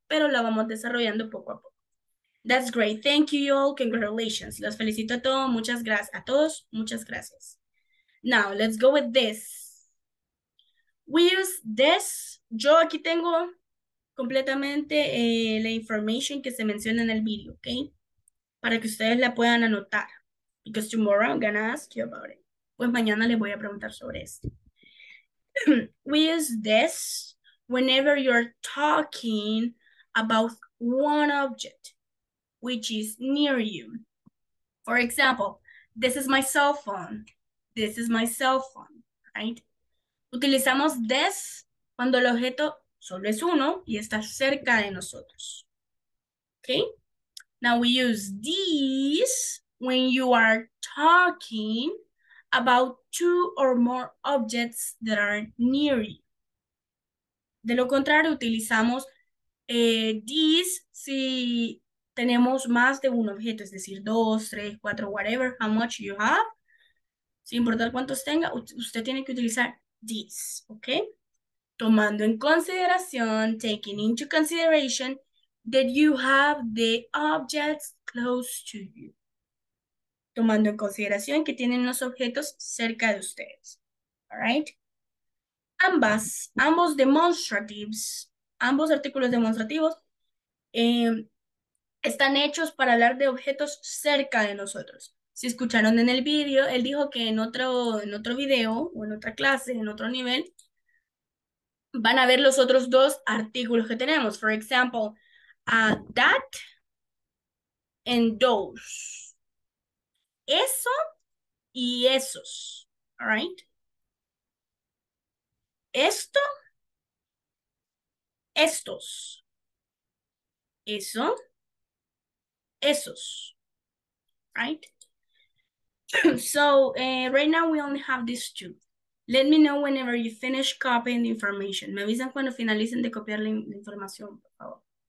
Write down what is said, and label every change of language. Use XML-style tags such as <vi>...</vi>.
<es>Pero lo vamos desarrollando poco a poco. That's great. Thank you all. Congratulations. Los felicito a todos. Muchas gracias.</es> <en>A todos, muchas gracias. Now, let's go with this. We use this.</en> <es>Yo aquí tengo completamente la information que se menciona en el video, ¿ok? Para que ustedes la puedan anotar.</es> <en>Because tomorrow I'm gonna ask you about it.</en> <es>Pues mañana les voy a preguntar sobre esto.</es> <en>We use this whenever you're talking about one object which is near you. For example, this is my cell phone. This is my cell phone, right?</en> <es>Utilizamos this cuando el objeto solo es uno y está cerca de nosotros. Okay?</es> <en>Now we use these when you are talking about two or more objects that are near you.</en> <es>De lo contrario, utilizamos these si tenemos más de un objeto, es decir, dos, tres, cuatro, whatever, how much you have. Sin importar cuántos tenga, usted tiene que utilizar these, okay?</es> <en>Tomando en consideración, taking into consideration that you have the objects close to you.</en> <es>Tomando en consideración que tienen los objetos cerca de ustedes. All right? Ambos demonstratives, ambos artículos demostrativos están hechos para hablar de objetos cerca de nosotros. Si escucharon en el video, él dijo que en otro video, o en otra clase, en otro nivel, van a ver los otros dos artículos que tenemos.</es> <en>For example, that and those.</en> <es>Eso y esos. All right? Esto, estos. Eso, esos. Right?</es> <en>So, right now we only have these two. Let me know whenever you finish copying the information.</en> <es>Me avisan cuando finalicen de copiar la información, por favor.</es>